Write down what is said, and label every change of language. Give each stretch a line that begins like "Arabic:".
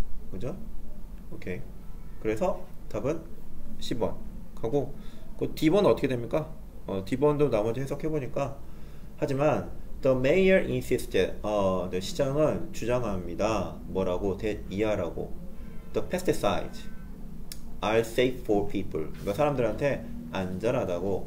Korean: 그죠? 오케이. 그래서 답은 10번 하고, 그 D번 어떻게 됩니까? D번도 나머지 해석해 보니까, 하지만
English: the mayor insisted,
Korean: 네, 시장은 주장합니다. 뭐라고? that 이하라고.
English: The pesticides are safe for people.
Korean: 그러니까 사람들한테 안전하다고.